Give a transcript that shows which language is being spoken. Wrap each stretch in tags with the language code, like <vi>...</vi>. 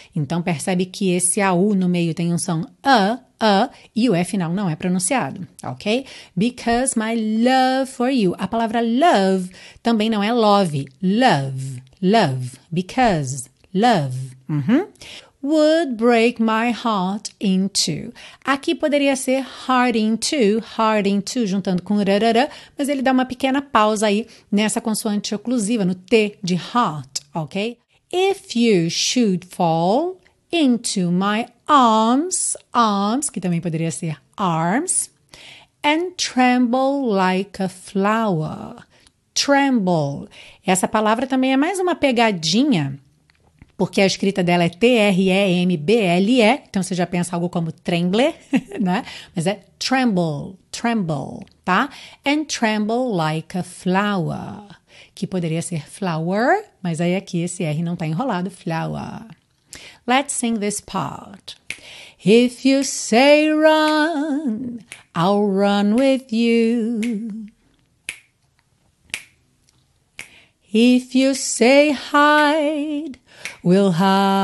<pt>Então, percebe que esse AU no meio tem um som a, e o E final não é pronunciado, ok?</pt> <en>Because my love for you.</en> <pt>A palavra</pt> <en>love</en> <pt>também não é</pt> <en>love, love, love, because, love. Uhum. Would break my heart in two.</en> <pt>Aqui poderia ser heart in two, juntando com rarara, mas ele dá uma pequena pausa aí nessa consoante oclusiva, no T de heart, ok?</pt> <en>If you should fall into my arms,</en> <pt>que também poderia ser</pt> <en>arms, and tremble like a flower. Tremble.</en> <pt>Essa palavra também é mais uma pegadinha, porque a escrita dela é T-R-E-M-B-L-E, então você já pensa algo como trembler, né? Mas é tremble, tremble, tá?</pt> <en>And tremble like a flower,</en> <pt>que poderia ser flower, mas aí aqui esse R não tá enrolado, flower.</pt> <en>Let's sing this part. If you say run, I'll run with you. If you say hide, we'll hide.</en>